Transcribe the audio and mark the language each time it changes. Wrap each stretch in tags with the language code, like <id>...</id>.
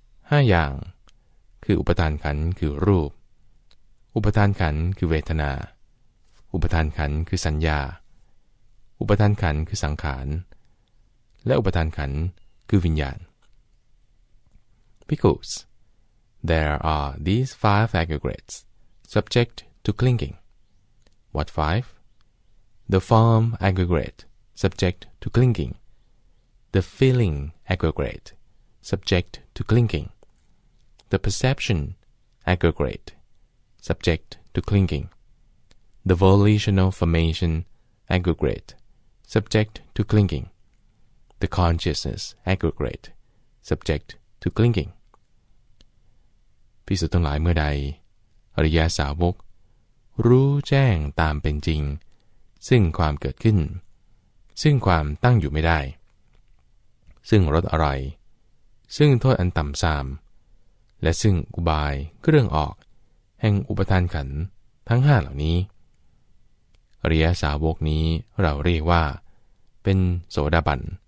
<th>5อย่างคืออุปทานขันธ์คือรูปอุปทานขันธ์คือเวทนาอุปทานขันธ์คือสัญญาอุปทานขันธ์คือสังขารและอุปทานขันธ์คือวิญญาณ</th> <en>Because there are these five aggregates subject to clinging What five? The form aggregate subject to clinging, the feeling aggregate subject to clinging, the perception aggregate subject to clinging, the volitional formation aggregate subject to clinging, the consciousness aggregate subject to clinging.</en> <th>ภิกษุทั้งหลายเมื่อใดอริยสาวกรู้แจ้งตามเป็นจริงซึ่งความเกิดขึ้นซึ่งความตั้งอยู่ไม่ได้ซึ่งรสอร่อยซึ่งโทษอันต่ำทรามและซึ่งอุบายเครื่องออกแห่งอุปทานขันธ์ทั้ง5เหล่านี้อริยสาวกนี้เราเรียกว่าเป็นโสดาบัน</th>